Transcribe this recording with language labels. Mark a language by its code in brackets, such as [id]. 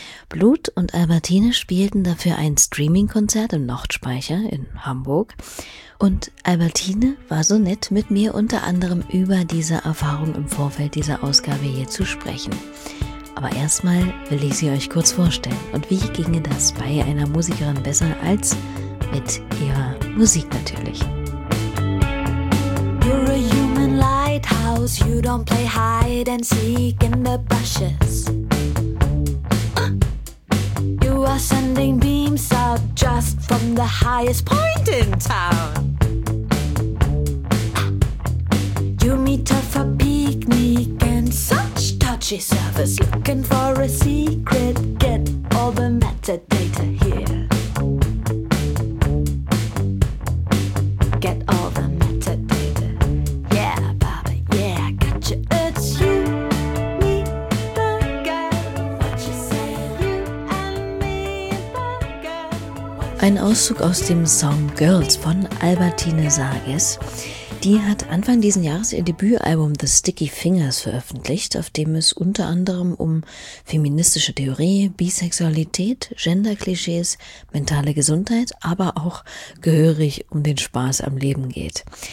[de] Blut und Albertine spielten dafür ein Streaming-Konzert im Nordspeicher in Hamburg und Albertine war so nett, mit mir unter anderem über diese Erfahrung im Vorfeld dieser Ausgabe hier zu sprechen. Aber erstmal will ich sie euch kurz vorstellen und wie ginge das bei einer Musikerin besser als mit ihrer Musik natürlich. [en] You're a human lighthouse, you don't play hide and seek in the bushes. You are sending beams out just from the highest point in town. You meet her for picnic and such touchy service, looking for a secret, get all the metadata here. Get all the metadata. Yeah, Baba, yeah, gotcha. It's you, me, the girl. What you say, you and me, the girl. [de] Ein Auszug aus dem Song Girls von Albertine Sages. Die hat Anfang diesen Jahres ihr Debütalbum The Sticky Fingers veröffentlicht, auf dem es unter anderem um feministische Theorie, Bisexualität, Genderklischees, mentale Gesundheit, aber auch gehörig um den Spaß am Leben geht.